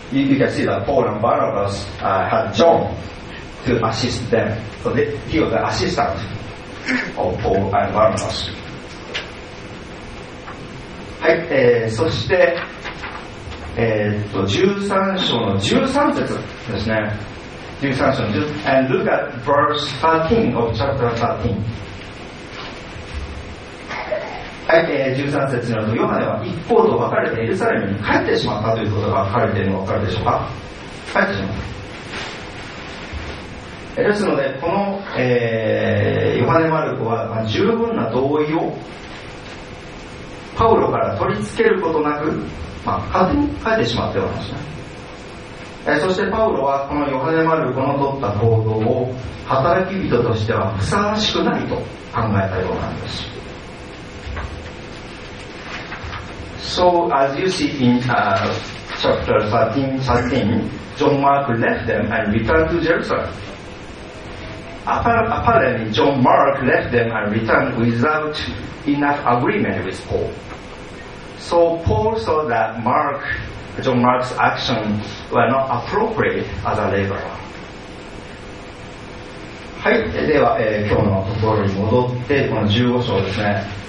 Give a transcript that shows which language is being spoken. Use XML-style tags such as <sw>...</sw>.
<en>You can see that Paul and Barnabas had John to assist them. So he was the assistant of Paul and Barnabas.</en> <ja>はい、そして、13章の13節ですね。 13章の13</ja> <en>And look at verse 13 of chapter 13。</en> <ja>はい、13節によるとヨハネは一方と分かれてエルサレムに帰ってしまったということが書かれているのが分かるでしょうか。帰ってしまった。ですのでこの、ヨハネ・マルコは、まあ、十分な同意をパウロから取り付けることなく、まあ、勝手に帰ってしまったような話ね。そしてパウロはこのヨハネ・マルコの取った行動を働き人としてはふさわしくないと考えたようなんです。</ja> <en>So as you see in chapter 13, John Mark left them and returned to Jerusalem. Apparently, John Mark left them and returned without enough agreement with Paul. So Paul saw that John Mark's actions were not appropriate as a laborer.</en> <ja>はい、では、今日のところに戻ってこの15章ですね。</ja>